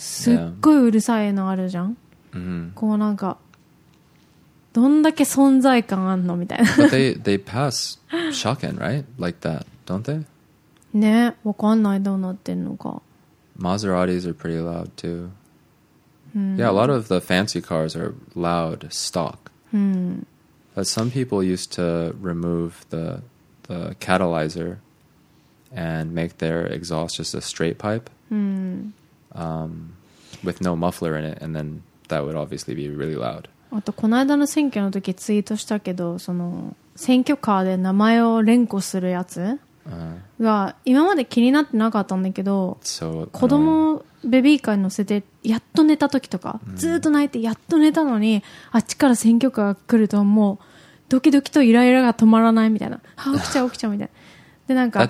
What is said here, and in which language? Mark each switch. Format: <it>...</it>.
<ja>すっごいうるさいのあるじゃん。こうなんか... どんだけ存在感あんのみたいな。</ja> <en>But they pass shocking, right? Like that, don't they?</en> <ja>ね、わかんないどうなってんのか。</ja> <en>Maseratis are pretty loud too. Yeah, a lot of the fancy cars are loud stock. But some people used to remove the catalyzer and make their exhaust just a straight pipe. With no muffler in it, and then that would obviously be really loud.</en> <ja>あとこの間の選挙の時ツイートしたけどその選挙カーで名前を連呼するやつが今まで気になってなかったんだけど子供ベビーカーに乗せてやっと寝た時とかずっと泣いてやっと寝たのにあっちから選挙カーが来るともうドキドキとイライラが止まらないみたいな起きちゃう起きちゃうみたいなでなんか</ja>